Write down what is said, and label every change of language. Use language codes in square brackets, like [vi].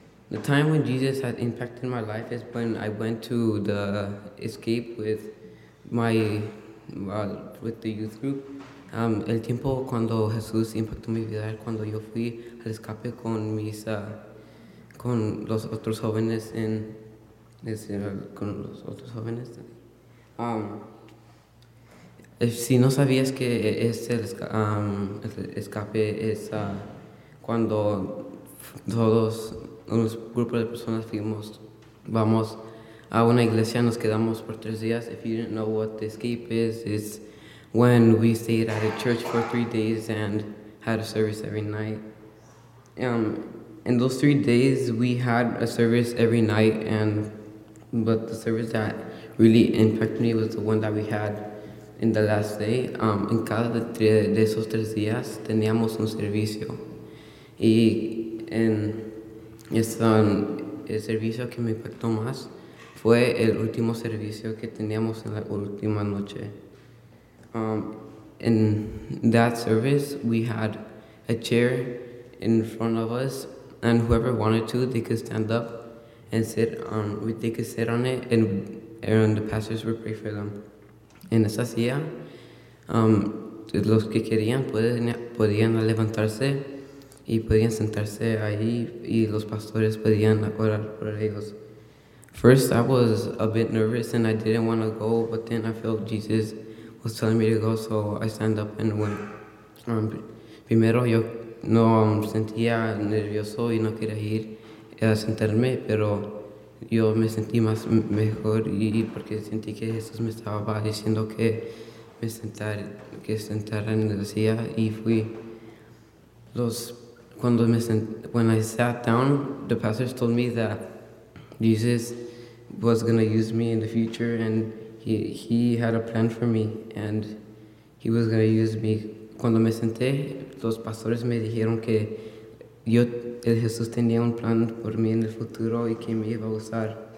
[en] The time when Jesus had impacted my life is when I went to the escape with my with the youth group. [es] El tiempo cuando Jesús impactó mi vida es cuando yo fui al escape con mis con los otros jóvenes en con los otros jóvenes. Si no sabías que es el escape es cuando todos los grupos de personas vamos a una iglesia, nos quedamos por 3 días. [en] If you didn't know what the escape is, it's when we stayed at a church for 3 days and had a service every night. In those 3 days, we had a service every night, but the service that really impacted me was the one that we had in the last day. [es] En cada de esos 3 días, teníamos un servicio. Y en el servicio que me impactó más fue el último servicio que teníamos en la última noche. [en] In that service, we had a chair in front of us, and whoever wanted to, they could stand up and sit on. They could sit on it, and the pastors would pray for them. [es] En esa silla, los que querían podían levantarse y podían sentarse ahí, y los pastores podían orar por ellos. [en] First, I was a bit nervous and I didn't want to go, but then I felt Jesus was telling me to go, so I stand up and went. [es] Primero yo no sentía nervioso y no quería ir a sentarme, pero yo me sentí más mejor y porque sentí que Jesús me estaba diciendo que me sentara en la silla, y fui. [en] When I sat down, the pastors told me that Jesus was gonna use me in the future, and he had a plan for me, and he was gonna use me. [es] Cuando me senté, los pastores me dijeron que el Jesús tenía un plan por mí en el futuro y que me iba a usar.